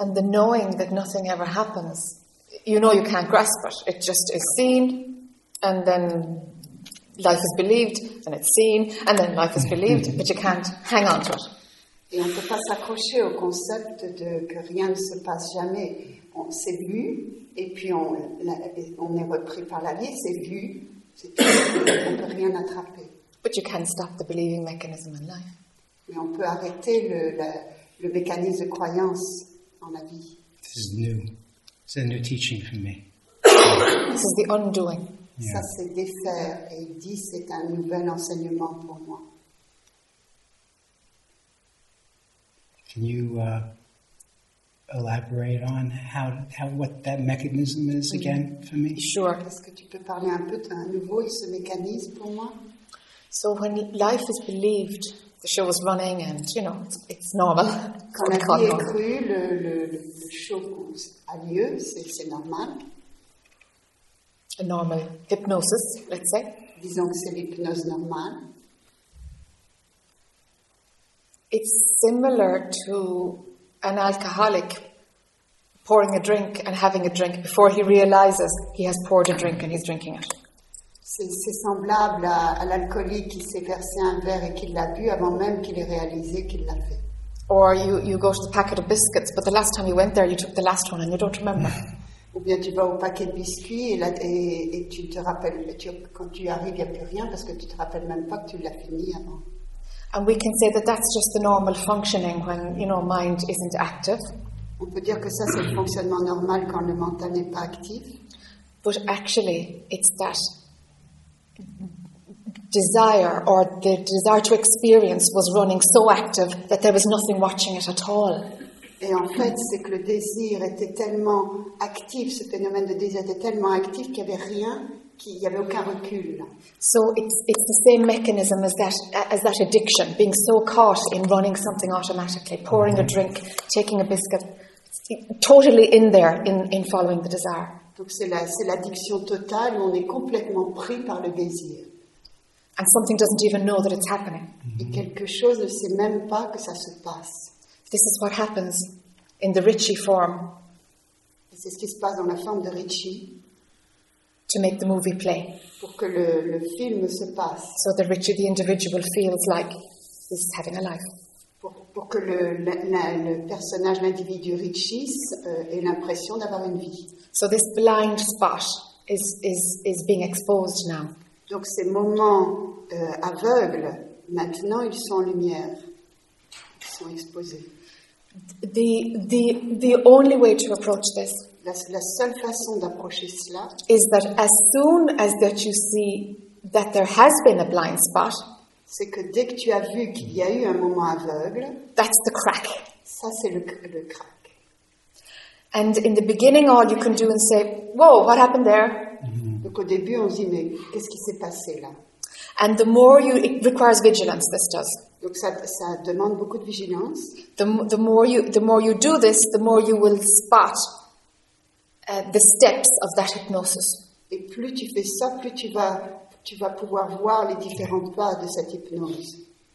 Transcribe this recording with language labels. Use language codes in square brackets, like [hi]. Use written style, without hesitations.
[en] And the knowing that nothing ever happens, you know you can't grasp it. It just is seen, and then life is believed and it's seen, and then life is believed, but you can't hang on to it. [fr] Et on ne peut pas s'accrocher au concept de que rien ne se passe jamais. On s'est vu, et puis on est repris par la vie, c'est vu, c'est tout, on ne peut rien attraper. [en] But you can stop the believing mechanism in life. [fr] Mais on peut arrêter le mécanisme de croyance en la vie. [en] This is new. It's a new teaching for me. This is the undoing. [fr] Yeah. Ça, c'est défaire. Et il dit, c'est un nouvel enseignement pour moi. [en] Can you elaborate on how what that mechanism is again for me? Sure. [fr] Est-ce que tu peux parler un peu d'un nouveau ce mécanisme pour moi? [en] So when life is believed, the show is running, and you know it's normal. [fr] Quand la vie est crue, le show a lieu. C'est normal. [en] A normal hypnosis, let's say. [fr] Disons que c'est l'hypnose normale. [en] It's similar to an alcoholic pouring a drink and having a drink before he realizes he has poured a drink and he's drinking it. [fr] C'est semblable à l'alcoolique qui s'est versé un verre et qui l'a bu avant même qu'il ait réalisé qu'il l'a fait. [en] Or you go to the packet of biscuits, but the last time you went there, you took the last one and you don't remember. [fr] Ou bien tu vas au paquet de biscuits et tu te rappelles, quand tu arrives, il n'y a plus rien parce que tu ne te rappelles même pas que tu l'as fini avant. [en] And we can say that that's just the normal functioning when, you know, mind isn't active. [fr] On peut dire que ça, c'est le fonctionnement normal quand le mental n'est pas actif. [en] But actually, it's that desire, or the desire to experience, was running so active that there was nothing watching it at all. [fr] Et en fait, c'est que le désir était tellement actif, ce phénomène de désir était tellement actif qu'il n'y avait rien. Il y avait aucun recul. [en] So it's the same mechanism as that addiction, being so caught in running something automatically, pouring a drink, taking a biscuit, totally in there in following the desire. [fr] Donc c'est l'addiction totale où on est complètement pris par le désir. [en] And something doesn't even know that it's happening. [fr] Et quelque chose ne sait même pas que ça se passe. [en] This is what happens in the Ricci form. [fr] Et c'est ce qui se passe dans la forme de Ricci. [en] To make the movie play. [fr] Pour que le film se passe. [en] So the richer the individual feels like he's having a life. [fr] Pour que le personnage, l'individu richisse, ait l'impression d'avoir une vie. [en] So this blind spot is being exposed now. [fr] Donc ces moments aveugles, maintenant ils sont en lumière. Ils sont exposés. [en] The only way to approach this. [fr] La seule façon d'approcher cela [en] is that as soon as that you see that there has been a blind spot, [fr] c'est que dès que tu as vu qu'il y a eu un moment aveugle, [en] that's the crack. [fr] Ça, c'est le crack. [en] And in the beginning, all you can do is say, whoa, what happened there? [fr] Donc au début, on se dit, mais qu'est-ce qui s'est passé là? [en] And the more you, it requires vigilance, this does. [fr] Donc ça demande beaucoup de vigilance. [en] The more you do this, the more you will spot the steps of that hypnosis. [fr] Et plus tu fais ça, plus tu vas pouvoir voir les différents pas de cette hypnose.